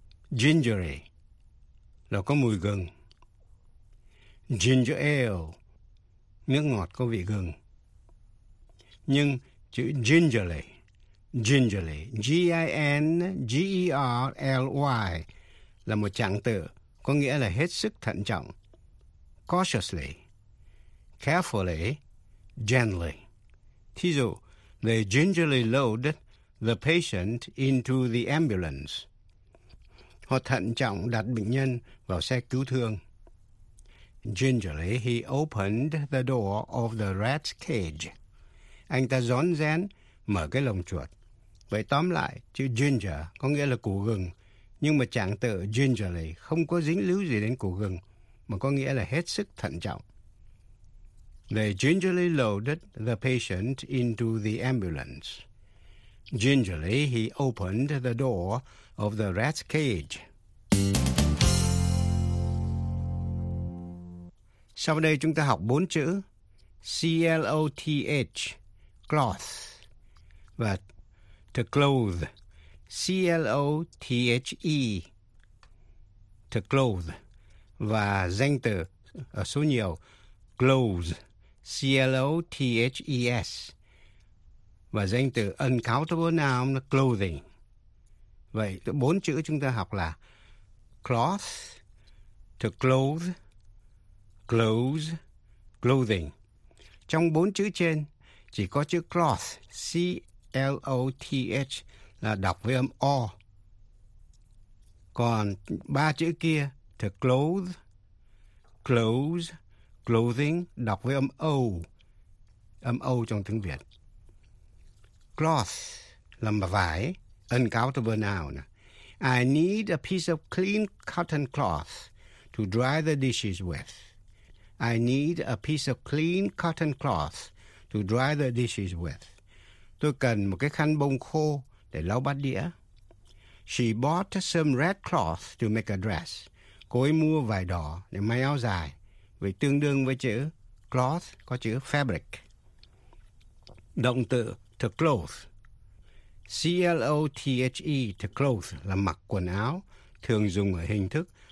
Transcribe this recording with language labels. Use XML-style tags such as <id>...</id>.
<vi>Gingery, là có mùi gừng. Ginger ale, nước ngọt có vị gừng. Nhưng chữ gingerly, gingerly, G-I-N-G-E-R-L-Y, là một trạng từ có nghĩa là hết sức thận trọng.</vi> <en>Cautiously, carefully, gently. Thí dụ, they gingerly load the patient into the ambulance.</en> <vi>Họ thận trọng đặt bệnh nhân vào xe cứu thương.</vi> <en>Gingerly, he opened the door of the rat's cage.</en> <vi>Anh ta rón rén mở cái lồng chuột. Vậy tóm lại, chữ ginger có nghĩa là củ gừng, nhưng mà trạng từ gingerly không có dính líu gì đến củ gừng, mà có nghĩa là hết sức thận trọng.</vi> <en>They gingerly loaded the patient into the ambulance. Gingerly, he opened the door of the rat's cage.</en> <vi>Sau đây chúng ta học bốn chữ C-L-O-T-H, cloth, và to clothe, C-L-O-T-H-E, to clothe, và danh từ số nhiều, clothes, C-L-O-T-H-E-S, và danh từ uncountable noun clothing. Vậy bốn chữ chúng ta học là cloth, to clothe, clothes, clothing. Trong bốn chữ trên chỉ có chữ cloth, C-L-O-T-H, là đọc với âm O. Còn ba chữ kia, to clothe, clothes, clothing, đọc với âm O trong tiếng Việt. Cloth là mà vải, uncountable noun.</vi> <en>I need a piece of clean cotton cloth to dry the dishes with. I need a piece of clean cotton cloth to dry the dishes with.</en> <vi>Tôi cần một cái khăn bông khô để lau bát đĩa.</vi> <en>She bought some red cloth to make a dress.</en> <vi>Cô ấy mua vải đỏ để may áo dài. Vì tương đương với chữ cloth có chữ fabric. Động từ to clothe, C-L-O-T-H-E, to clothe là mặc quần áo, thường dùng ở hình thức</vi>